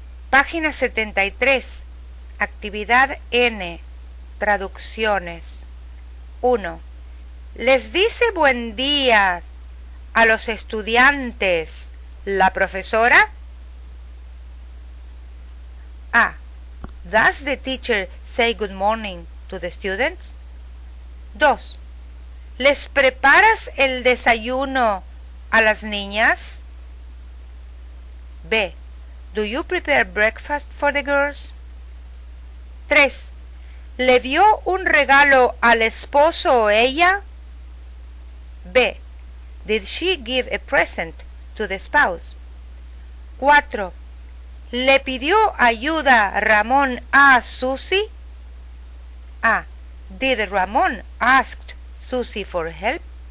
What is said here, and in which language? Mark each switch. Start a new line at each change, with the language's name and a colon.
Spanish: Página 73, actividad N, traducciones. 1. Les dice buen día a los estudiantes la profesora. A.
English: Does the teacher say good morning to the students? 2.
Spanish: ¿Les preparas el desayuno a las niñas? B.
English: Do you prepare breakfast for the girls? 3.
Spanish: ¿Le dio un regalo al esposo o ella? B.
English: Did she give a present to the spouse? 4.
Spanish: ¿Le pidió ayuda Ramón a Susie? A.
English: Did Ramón ask Susie for help?